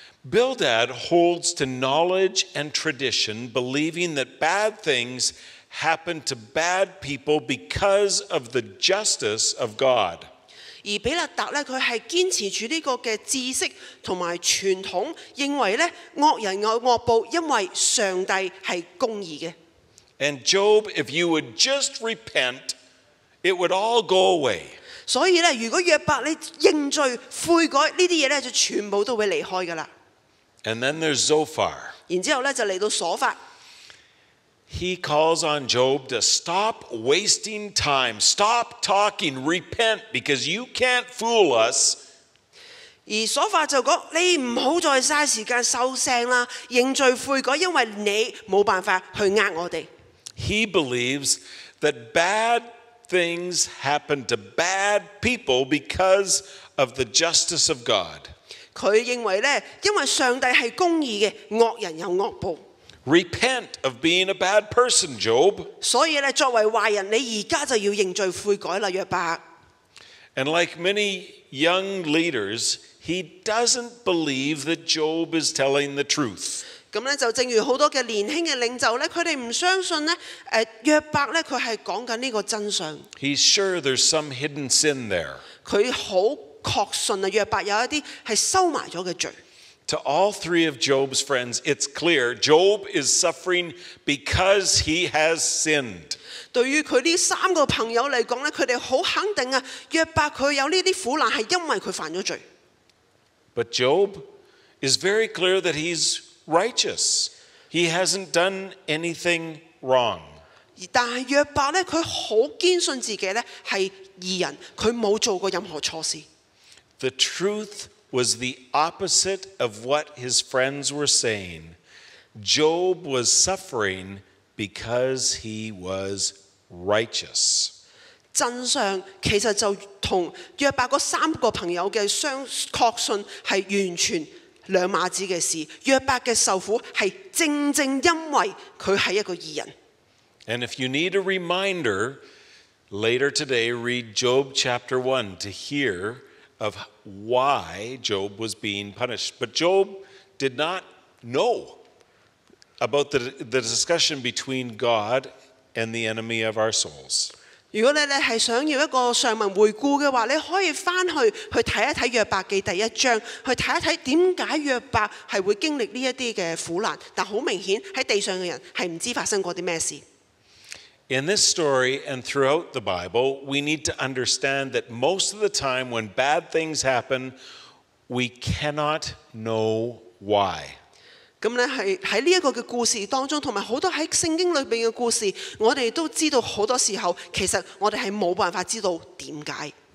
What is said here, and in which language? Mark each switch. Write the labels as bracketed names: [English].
[English] Bildad holds to knowledge and tradition, believing that bad things happen to bad people because of the justice of God. [Cantonese] 而比勒达咧，佢系坚持住呢个嘅知识同埋传统，认为咧恶人有恶报，因为上帝系公义嘅。 [English] And Job, if you would just repent, it would all go away. [Cantonese] 所以咧，如果約伯你認罪悔改，呢啲嘢咧就全部都會離開噶啦。 [English] And then there's Zophar. [Cantonese] 然之後咧就嚟到所法。 [English] He calls on Job to stop wasting time, stop talking, repent, because you can't fool us. [Cantonese] 而所法就講：你唔好再嘥時間收聲啦，認罪悔改，因為你冇辦法去呃我哋。 [English] He believes that bad. Things happen to bad people because of the justice of God. [Cantonese] 佢认为咧，因为上帝系公义嘅，恶人有恶报。 [English] Repent of being a bad person, Job. [Cantonese] 所以咧，作为坏人，你而家就要认罪悔改啦，约伯。 [English] And like many young leaders, he doesn't believe that Job is telling the truth. [Cantonese] 咁咧就正如好多嘅年輕嘅領袖咧，佢哋唔相信咧，約伯咧佢係講緊呢個真相。 [English] He's sure there's some hidden sin there。 [Cantonese] 佢好確信啊，約伯有一啲係收埋咗嘅罪。 [English] To all three of Job's friends, it's clear Job is suffering because he has sinned. [Cantonese] 對於佢呢三個朋友嚟講咧，佢哋好肯定啊，約伯佢有呢啲苦難係因為佢犯咗罪。 [English] But Job is very clear that he's righteous. He hasn't done anything wrong. [Cantonese] 但係約伯咧，佢好堅信自己咧係義人，佢冇做過任何錯事。 [English] The truth was the opposite of what his friends were saying. Job was suffering because he was righteous. [Cantonese] 真相其實就同約伯嗰三個朋友嘅相確信係完全兩碼子嘅事。約伯嘅受苦係正正因為佢係一個義人。 [English] And if you need a reminder, later today read Job chapter 1 to hear of why Job was being punished. But Job did not know about the discussion between God and the enemy of our souls. [Cantonese] 如果你係想要一個上文回顧嘅話，你可以翻去去睇一睇約伯記第一章，去睇一睇點解約伯係會經歷呢一啲嘅苦難。但好明顯喺地上嘅人係唔知發生過啲咩事。 [English] In this story and throughout the Bible, we need to understand that most of the time when bad things happen, we cannot know why. [Cantonese] 咁咧係喺呢一個嘅故事當中，同埋好多喺聖經裏邊嘅故事，我哋都知道好多時候其實我哋係冇辦法知道點解。